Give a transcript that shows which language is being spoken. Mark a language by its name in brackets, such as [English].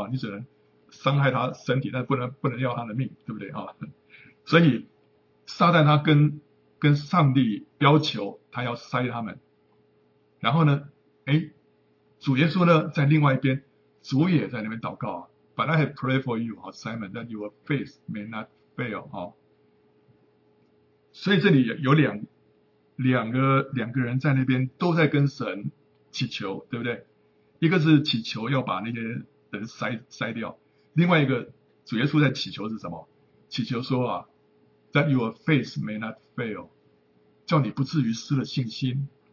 [Chinese] 你只能伤害他身体，但不能要他的命，对不对？所以撒旦他跟上帝要求，他要筛他们。然后呢，哎，主耶稣呢在另外一边，主也在那边祷告啊。 [English] But I have prayed for you, Simon, that your faith may not fail 啊。 [Chinese] 所以这里有两个人在那边都在跟神祈求，对不对？一个是祈求要把那些人筛掉，另外一个主耶稣在祈求是什么？祈求说啊， [English] that your faith may not fail， [Chinese] 叫你不至于失了信心。